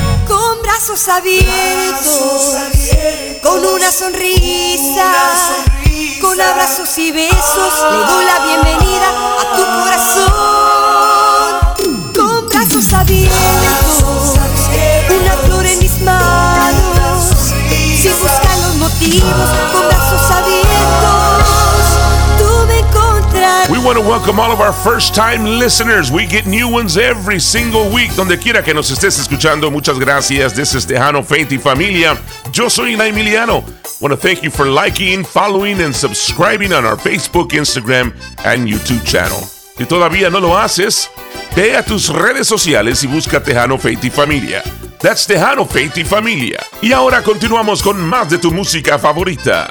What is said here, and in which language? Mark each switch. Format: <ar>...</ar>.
<es>Con brazos abiertos, con una sonrisa, con abrazos y besos le doy la bienvenida a tu corazón. Con brazos abiertos, una flor en mis manos, sin buscar los motivos, con brazos abiertos.</es> <en>We want to welcome all of our first time listeners. We get new ones every single week.</en> <es>Donde quiera que nos estés escuchando, muchas gracias.</es> <en>This is Tejano, Fenty Familia.</en> <es>Yo soy La Emiliano.</es> <en>Want to thank you for liking, following, and subscribing on our Facebook, Instagram, and YouTube channel.</en> <es>Si todavía no lo haces, ve a tus redes sociales y busca Tejano, Fenty Familia.</es> <en>That's Tejano, Fenty Familia.</en> <es>Y ahora continuamos con más de tu música favorita.</es>